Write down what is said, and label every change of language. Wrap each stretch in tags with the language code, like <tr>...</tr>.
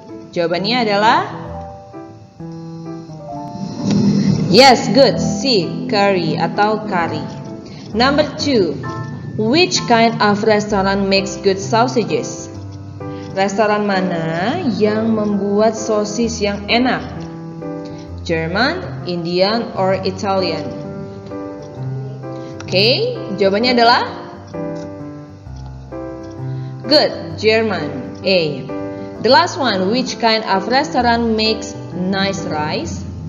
<id>Jawabannya adalah yes, good, see, curry atau kari.</id> <en>Number two, which kind of restaurant makes good sausages?</en> <id>Restoran mana yang membuat sosis yang enak?</id> <en>German, Indian, or Italian? Okay,</en> <id>jawabannya adalah</id> <en>good, German. A. The last one, which kind of restaurant makes nice rice?</en>